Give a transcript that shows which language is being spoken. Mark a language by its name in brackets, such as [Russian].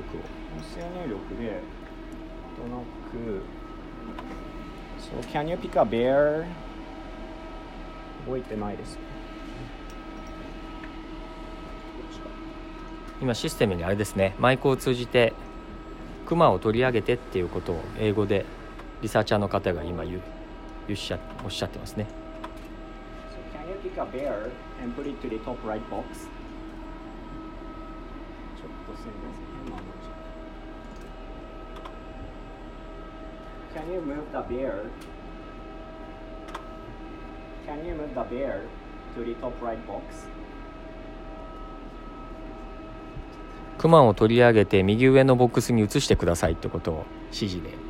[Japanese] 音声入力でどのく、 [English] So can you pick a bear? [Japanese] 覚えてないです。今システムにあれですね、マイクを通じてクマを取り上げてっていうことを英語でリサーチャーの方が今言う、おっしゃってますね。 [English] So can you pick a bear and put it to the top right box? [Japanese] ちょっとすみません。 [English] Can you move the bear? Can you move the bear to the top right box? [Japanese] クマを取り上げて右上のボックスに移してくださいってことを指示で、